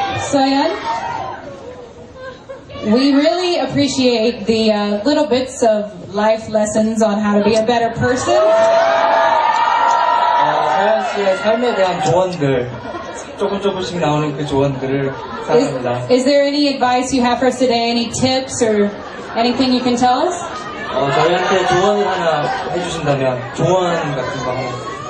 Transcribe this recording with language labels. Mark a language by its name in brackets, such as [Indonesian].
[English] Soyeon, we really appreciate the little bits of life lessons on how to be a better person. [Korean] 서연 씨의 삶에 대한 조언들 조금 조금씩 나오는 그 조언들을 사랑합니다. [English] Is there any advice you have for us today? Any tips or anything you can tell us? [Korean] 저희한테 조언을 하나 해주신다면 조언 같은 거 하나.